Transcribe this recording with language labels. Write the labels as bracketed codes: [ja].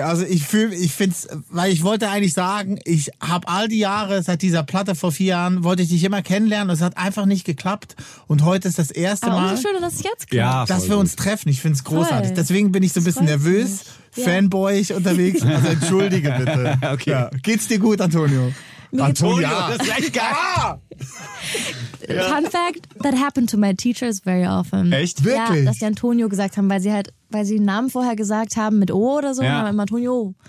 [de] Also ich finde es, weil ich wollte eigentlich sagen, ich habe all die Jahre, seit dieser Platte vor 4 Jahren, wollte ich dich immer kennenlernen und es hat einfach nicht geklappt. Und heute ist das erste Mal, so schön, dass, jetzt klappt, ja, dass wir uns treffen. Ich finde es großartig. Deswegen bin ich so ein bisschen nervös, fanboyig unterwegs. Also entschuldige bitte. Okay. Ja. Geht's dir gut, Antonio? Antonio, das ist echt geil. [en] Fun fact, that happened to my teachers very often. [de] Echt? Wirklich? Ja, dass die Antonio gesagt haben, weil sie den Namen vorher gesagt haben mit O oder so, aber immer Antonio.